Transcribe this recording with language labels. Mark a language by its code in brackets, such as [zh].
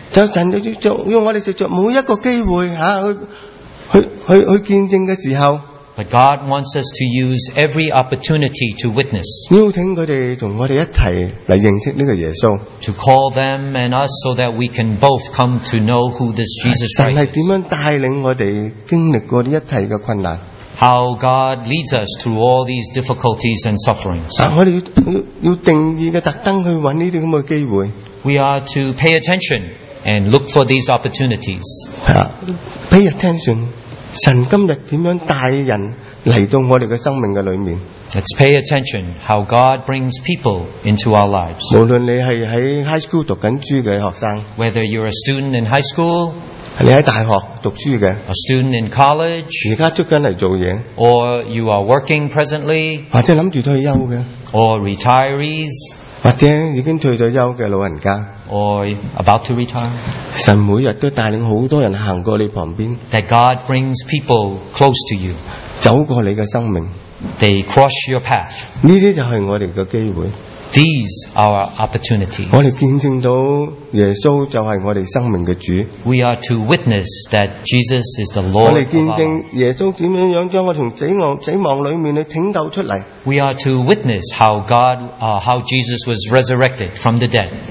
[zh] 就神就用我们每一个机会, 啊, 去见证的时候, [en] But God wants us to use every opportunity to witness. To call them and us so that we can both come to know who this Jesus Christ is. How God leads us through all these difficulties and sufferings. We are to pay attention and look for these opportunities. Pay attention. [zh] 神今日怎样带人来到我们的生命里面? [en] Let's pay attention how God brings people into our lives. [zh] 无论你是在high school读书的学生, [en] whether you're a student in high school, [zh] 你在大学读书的, [en] a student in college, [zh] 现在正在做事, [en] or you are working presently, [zh] 或者想着退休的, [en] or retirees, [zh] 或者已经退休的老人家, [en] or about to retire, [zh] 神每日都带领很多人走过你旁边, [en] that God brings people close to you, [zh] 走过你的生命, [en] they cross your path. [zh] 这些就是我们的机会, [en] these are our opportunities. [zh] 我们见证到耶稣就是我们生命的主, [en] we are to witness that Jesus is the Lord. [zh] 我们见证耶稣怎样将我从死亡里面拯救出来, [en] we are to witness how God, how Jesus was resurrected from the dead.